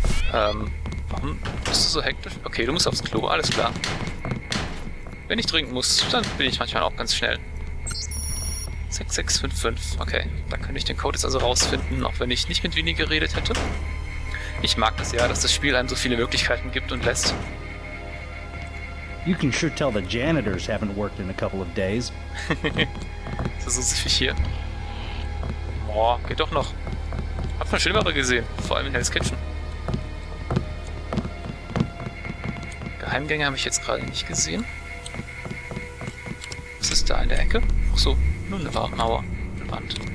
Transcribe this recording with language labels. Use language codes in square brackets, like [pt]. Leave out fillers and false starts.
[de] Warum bist du so hektisch? Okay, du musst aufs Klo, alles klar. Wenn ich trinken muss, dann bin ich manchmal auch ganz schnell. 6655, okay. Da könnte ich den Code jetzt also rausfinden, auch wenn ich nicht mit Vinny geredet hätte. Ich mag das ja, dass das Spiel einem so viele Möglichkeiten gibt und lässt. [en] You can sure tell the janitors haven't worked in a couple of days. [de] Das ist so süffig hier. Boah, geht doch noch. Hab schon Schlimmere gesehen, vor allem in Hell's Kitchen. Geheimgänge habe ich jetzt gerade nicht gesehen. Was ist da in der Ecke? Ach so, nur eine Mauer, eine Wand.